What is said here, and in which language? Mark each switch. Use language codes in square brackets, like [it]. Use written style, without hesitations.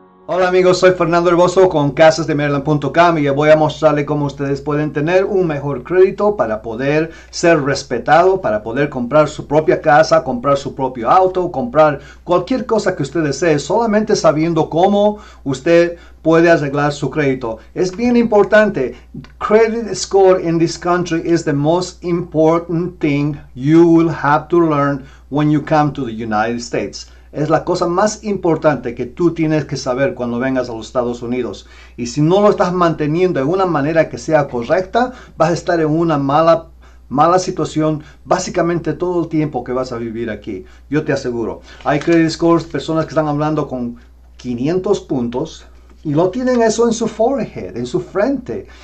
[es] Hola amigos, soy Fernando Herboso con casasdemaryland.com y voy a mostrarle cómo ustedes pueden tener un mejor crédito para poder ser respetado, para poder comprar su propia casa, comprar su propio auto, comprar cualquier cosa que usted desee, solamente sabiendo cómo usted puede arreglar su crédito. Es bien importante. [en] Credit score in this country is the most important thing you will have to learn when you come to the United States. [es] Es la cosa más importante que tú tienes que saber cuando vengas a los Estados Unidos. Y si no lo estás manteniendo de una manera que sea correcta, vas a estar en una mala situación básicamente todo el tiempo que vas a vivir aquí. Yo te aseguro. Hay credit scores, personas que están hablando con 500 puntos y lo tienen eso en su forehead, en su frente.